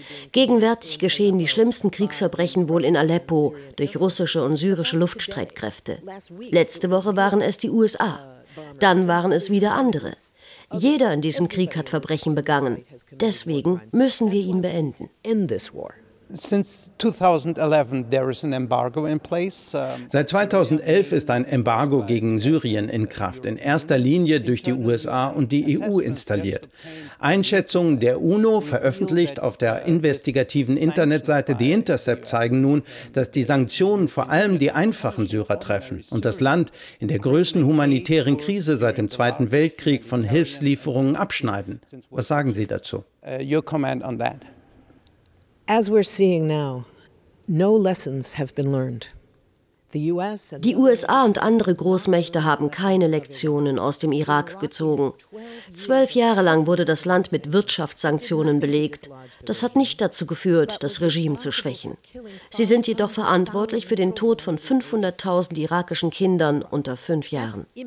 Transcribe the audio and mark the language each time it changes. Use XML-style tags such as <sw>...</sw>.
<de>Gegenwärtig geschehen die schlimmsten Kriegsverbrechen wohl in Aleppo durch russische und syrische Luftstreitkräfte. Letzte Woche waren es die USA. Dann waren es wieder andere. Jeder in diesem Krieg hat Verbrechen begangen. Deswegen müssen wir ihn beenden.</de> <en>Since 2011 there is an embargo in place.</en> <de>Seit 2011 ist ein Embargo gegen Syrien in Kraft, in erster Linie durch die USA und die EU installiert. Einschätzungen der UNO, veröffentlicht auf der investigativen Internetseite The Intercept, zeigen nun, dass die Sanktionen vor allem die einfachen Syrer treffen und das Land in der größten humanitären Krise seit dem Zweiten Weltkrieg von Hilfslieferungen abschneiden. Was sagen Sie dazu?</de> <en>Your comment on that. As we're seeing now, no lessons have been learned.</en> <de>Die USA und andere Großmächte haben keine Lektionen aus dem Irak gezogen. 12 Jahre lang wurde das Land mit Wirtschaftssanktionen belegt. Das hat nicht dazu geführt, das Regime zu schwächen. Sie sind jedoch verantwortlich für den Tod von 500.000 irakischen Kindern unter 5 Jahren.</de>